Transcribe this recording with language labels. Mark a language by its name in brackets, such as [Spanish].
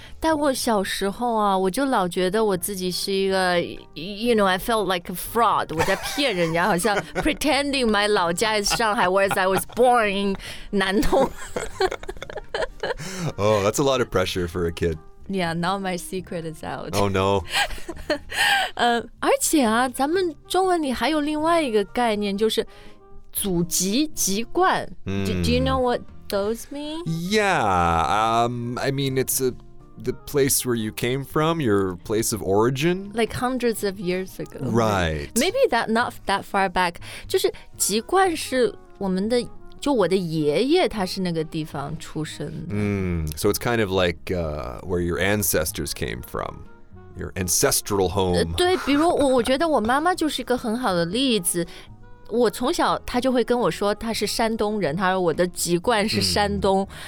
[Chinese] 但我小时候啊，我就老觉得我自己是一个 [English] you know, I felt like a fraud. [Chinese] 我在骗人家，好像 [English] pretending my 老家 is Shanghai, whereas I was born in 南通。 Oh, that's a lot of pressure for a kid. Yeah, now my secret is out. Oh no. [Chinese] 而且啊，咱们中文里还有另外一个概念，就是祖籍籍贯。 [English] Do you know what those mean? Yeah. I mean, it's the place where you came from, your place of origin. Like hundreds of years ago. Right. Maybe that not that far back. [Chinese] 就是籍贯是我们的。就我的爷爷他是那个地方出生的。 [English] So it's kind of like where your ancestors came from. Your ancestral home. [Chinese] 对比如我觉得我妈妈就是一个很好的例子。我从小她就会跟我说她是山东人她说我的籍贯是山东。